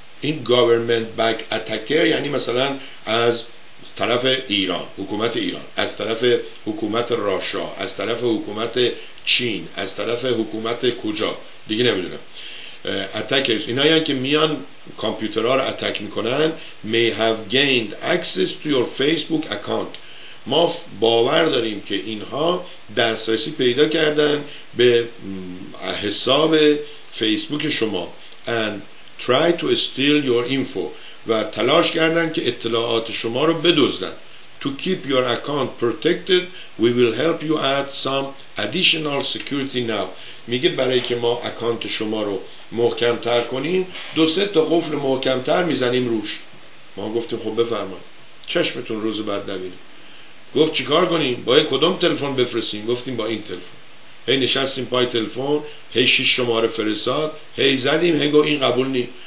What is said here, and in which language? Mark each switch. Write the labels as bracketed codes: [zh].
[fa] این گاورمنت بک اتکر یعنی مثلا از طرف ایران، حکومت ایران، از طرف حکومت راشا، از طرف حکومت چین، از طرف حکومت کجا دیگه نمیدونم، اتکرز اینا یعنی که میان کامپیوترها رو اتک میکنن. [en] may have gained access to your facebook account. [fa] ما باور داریم که اینها دسترسی پیدا کردن به حساب فیسبوک شما [en] and try to steal your info [fa] و تلاش کردن که اطلاعات شما رو بدزدن. [en] To keep your account protected we will help you add some additional security now. [fa] میگه برای که ما اکانت شما رو محکم تر کنیم دو سه تا قفل محکم تر میزنیم روش. ما گفتیم خب بفرمایید، چشمتون روز بعد نبینه. گفت چیکار کنیم، با کدوم تلفن بفرستیم؟ گفتیم با این تلفن. هی نشستیم پای تلفن، هی 6 شماره فرستاد، هی زدیم، هی گو این قبول نی.